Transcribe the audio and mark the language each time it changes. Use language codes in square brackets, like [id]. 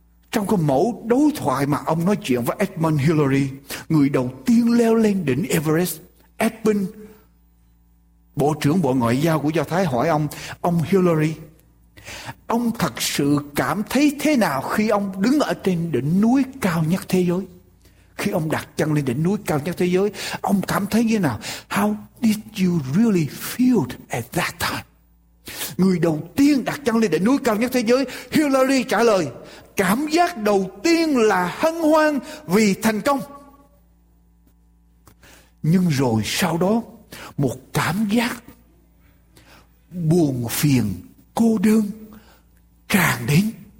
[vi] Trong cái mẫu đối thoại mà ông nói chuyện với Edmund Hillary, người đầu tiên leo lên đỉnh Everest, Epping, bộ trưởng Bộ Ngoại giao của Do Thái hỏi ông Hillary, ông thật sự cảm thấy thế nào khi ông đứng ở trên đỉnh núi cao nhất thế giới? Khi ông đặt chân lên đỉnh núi cao nhất thế giới, ông cảm thấy như thế nào? [en] How did you really feel at that time? [vi] Người đầu tiên đặt chân lên đỉnh núi cao nhất thế giới, Hillary trả lời, cảm giác đầu tiên là hân hoan vì thành công. Nhưng rồi sau đó, một cảm giác buồn phiền, cô đơn tràn đến.